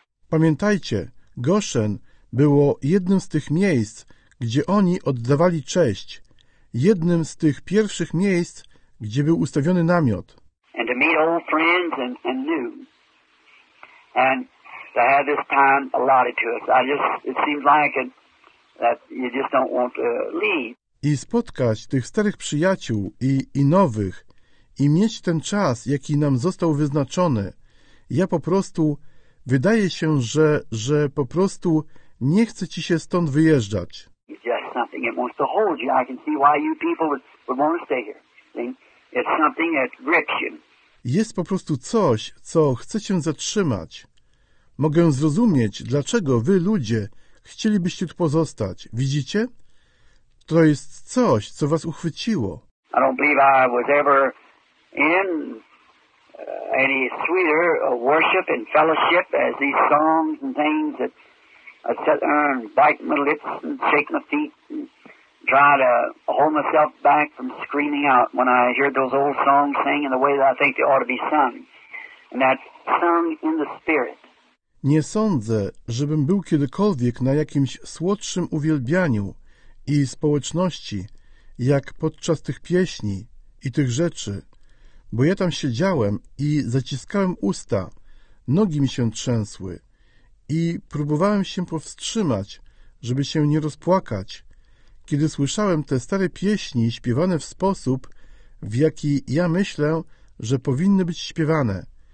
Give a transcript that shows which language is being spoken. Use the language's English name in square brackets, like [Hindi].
[Polish] Pamiętajcie, Goshen było jednym z tych miejsc, gdzie oni oddawali cześć, jednym z tych pierwszych miejsc, gdzie był ustawiony namiot. [English] And to meet old friends and new, and to have this time allotted to us. It seems like that you just don't want to leave. [Polish] I spotkać tych starych przyjaciół i nowych, i mieć ten czas, jaki nam został wyznaczony. Ja po prostu, wydaje się, że po prostu nie chce ci się stąd wyjeżdżać. [English] It's just something that wants to hold you. I can see why you people would want to stay here. See? It's something that grips you. [Polish] Jest po prostu coś, co chce cię zatrzymać. Mogę zrozumieć, dlaczego wy ludzie chcielibyście tu pozostać. Widzicie? To jest coś, co was uchwyciło. [English] I don't believe I was ever in any sweeter worship and fellowship as these songs and things that I sit there and bite my lips and shake my feet and try to hold myself back from screaming out when I hear those old songs sang in the way that I think they ought to be sung. And that's sung in the spirit. [Polish] Nie sądzę, żebym był kiedykolwiek na jakimś słodszym uwielbianiu i społeczności, jak podczas tych pieśni i tych rzeczy, bo ja tam siedziałem i zaciskałem usta, nogi mi się trzęsły i próbowałem się powstrzymać, żeby się nie rozpłakać, kiedy słyszałem te stare pieśni śpiewane w sposób, w jaki ja myślę, że powinny być śpiewane.